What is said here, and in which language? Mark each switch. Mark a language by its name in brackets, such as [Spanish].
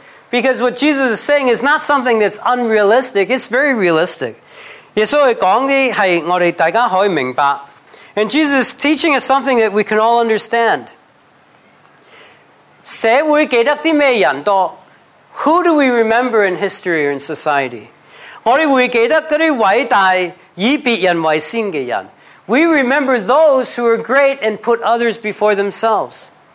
[English] Because what Jesus is saying is not something that's unrealistic, it's very realistic. [Chinese] 耶稣讲的是我们大家可以明白。 [English] And Jesus is teaching us something that we can all understand. [Chinese] 社会记得什么人多? [English] Who do we remember in history or in society? [Chinese] 我们会记得那些伟大以别人为先的人。 [English] We remember those who are great and put others before themselves.